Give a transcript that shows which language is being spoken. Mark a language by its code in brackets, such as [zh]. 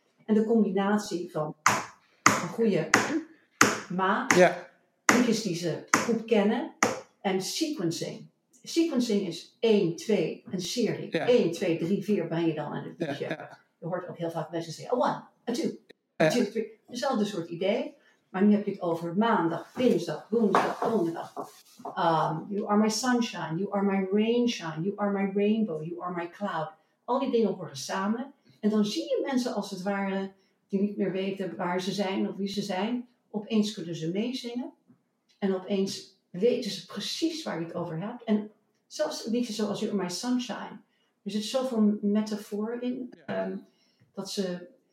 [nl] En de combinatie van een goede maat, liedjes die ze goed kennen, en sequencing. Sequencing is 1, 2, een serie. Ja. 1, 2, 3, 4 ben je dan aan het liedje. Ja. Je hoort ook heel vaak mensen zeggen, oh, 1, 2, 3. Hetzelfde soort idee. Maar nu heb je het over maandag, dinsdag, woensdag, donderdag. [en] You are my sunshine, you are my rainshine, you are my rainbow, you are my cloud. [nl] Al die dingen horen samen. En dan zie je mensen als het ware, die niet meer weten waar ze zijn of wie ze zijn. Opeens kunnen ze meezingen. En opeens weten ze precies waar je het over hebt. En zelfs liedjes zoals You are my sunshine. Er zit zoveel metafoor in. Dat ze...